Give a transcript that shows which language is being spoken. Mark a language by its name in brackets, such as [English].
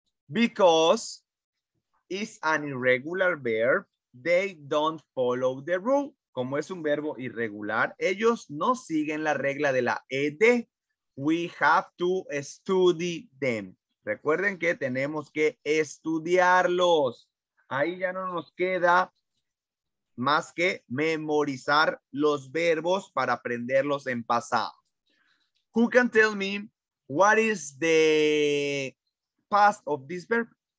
[English] Because it's an irregular verb, they don't follow the rule. [Spanish] Como es un verbo irregular, ellos no siguen la regla de la ed. [English] We have to study them. [Spanish] Recuerden que tenemos que estudiarlos. Ahí ya no nos queda más que memorizar los verbos para aprenderlos en pasado. [English] Who can tell me what is the past of this verb?